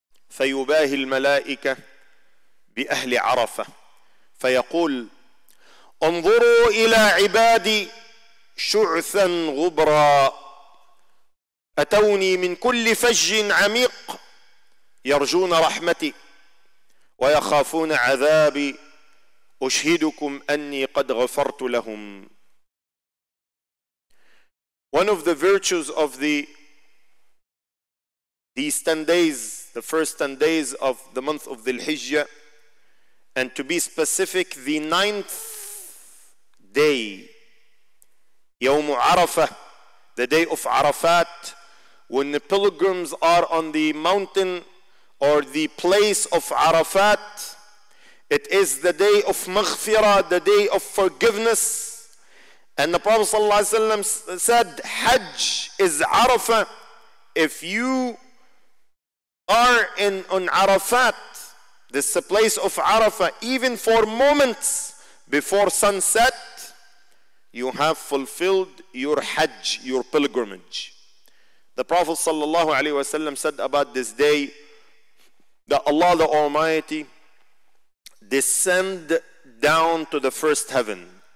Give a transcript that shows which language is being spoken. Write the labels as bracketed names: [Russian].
[Arabic] فيباهي الملائكة بأهل عرفة فيقول انظروا إلى عبادي شعثا غبرا أتوني من كل فج عميق يرجون رحمتي ويخافون عذابي أشهدكم أني قد غفرت لهم. [English] One of the virtues of these 10 days, the first 10 days of the month of Dhul Hijjah, and to be specific, the 9th day, يوم عرفة, the day of Arafat, when the pilgrims are on the mountain or the place of Arafat, it is the day of مغفرة, the day of forgiveness. And the Prophet [Arabic] صلى الله عليه وسلم [English] said, حج is عرفة. If you are on Arafat, this is the place of Arafah, even for moments before sunset, you have fulfilled your Hajj, your pilgrimage. The Prophet sallallahu alaihi wasallam said about this day that Allah the Almighty descend down to the first heaven.